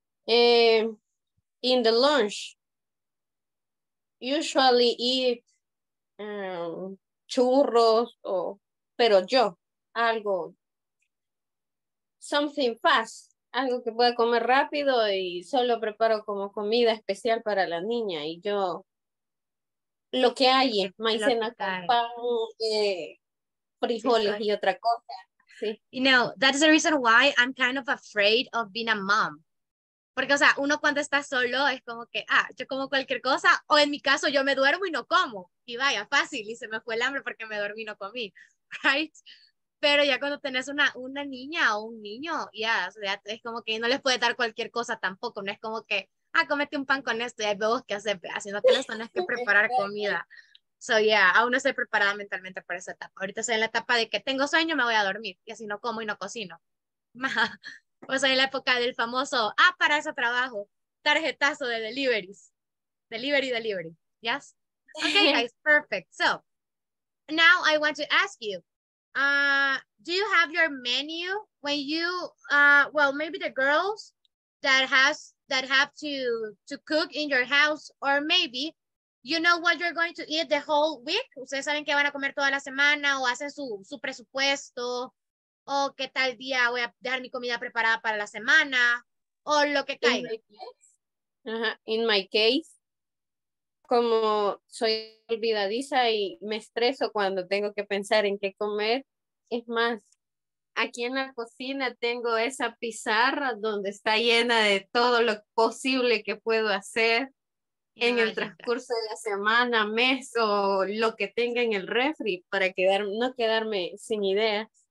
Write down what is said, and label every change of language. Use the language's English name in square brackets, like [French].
[English] In the lunch, usually eat [Spanish] churros o pero yo algo [English] something fast, [Spanish] algo que pueda comer rápido y solo preparo como comida especial para la niña y yo lo que hay es maicena con pan, frijoles y otra cosa. [English] You know, that's the reason why I'm kind of afraid of being a mom. [Spanish] Porque, o sea, uno cuando está solo es como que, yo como cualquier cosa, o en mi caso yo me duermo y no como. Y vaya, fácil, y se me fue el hambre porque me dormí y no comí, [English] right? [Spanish] Pero ya cuando tenés una niña o un niño, es como que no les puede dar cualquier cosa tampoco. No es como que, comete un pan con esto y ahí vemos qué hacer, sino que les tenés que preparar comida. [English] So yeah, [Spanish] aún no estoy preparada mentalmente para esa etapa. Ahorita estoy en la etapa de que tengo sueño, me voy a dormir. Y así no como y no cocino. Pues en la época del famoso, para ese trabajo, tarjetazo de deliveries. [English] Delivery, delivery. Yes? Okay, guys, perfect. So, now I want to ask you, do you have your menu when you, well, maybe the girls that have to cook in your house, or maybe you know what you're going to eat the whole week? [Spanish] ¿Ustedes saben qué van a comer toda la semana o hacen su presupuesto? ¿O qué tal día voy a dejar mi comida preparada para la semana? ¿O lo que caiga? [English] In my case, [Spanish] como soy olvidadiza y me estreso cuando tengo que pensar en qué comer, es más, aquí en la cocina tengo esa pizarra donde está llena de todo lo posible que puedo hacer en el transcurso de la semana, mes o lo que tenga en el refri para no quedarme sin ideas.